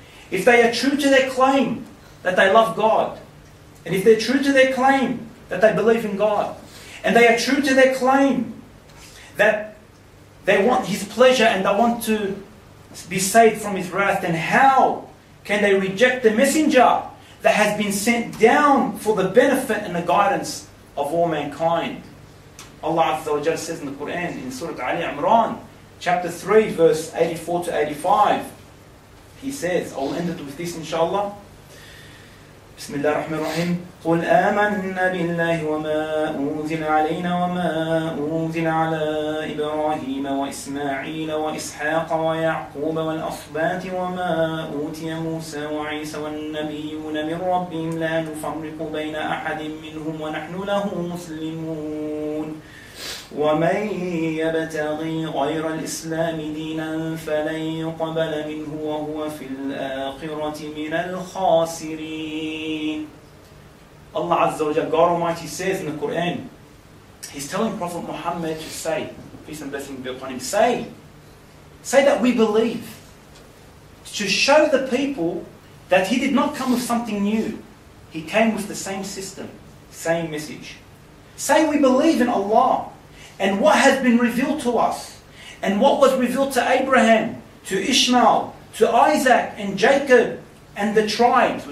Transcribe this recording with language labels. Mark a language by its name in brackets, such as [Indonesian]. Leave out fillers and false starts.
[English] If they are true to their claim that they love God, and if they're true to their claim that they believe in God, and they are true to their claim that they want his pleasure and they want to be saved from his wrath, then how can they reject the messenger that has been sent down for the benefit and the guidance of all mankind? Allah Azza wa Jalla says in the Quran, in Surah Ali Imran, chapter 3, verse 84 to 85, he says, I'll end it with this inshallah. [Arabic] بسم الله الرحمن الرحيم قل آمنا بالله وما أنزل علينا وما أنزل على إبراهيم وإسماعيل وإسحاق ويعقوب والأصباط وما أوتي موسى وعيسى والنبيون من ربهم لا نفرق بين أحد منهم ونحن له مسلمون ومن يبتغي غير الإسلام دينا فلن يقبل منه وهو في الآخرة من الخاسرين. [English] Allah Azza wa Jalla, God Almighty, says in the Quran, He's telling Prophet Muhammad to say, peace and blessings be upon him, say that we believe, to show the people that He did not come with something new. He came with the same system, same message. Say we believe in Allah and what has been revealed to us, and what was revealed to Abraham, to Ishmael, to Isaac, and Jacob, and the tribes.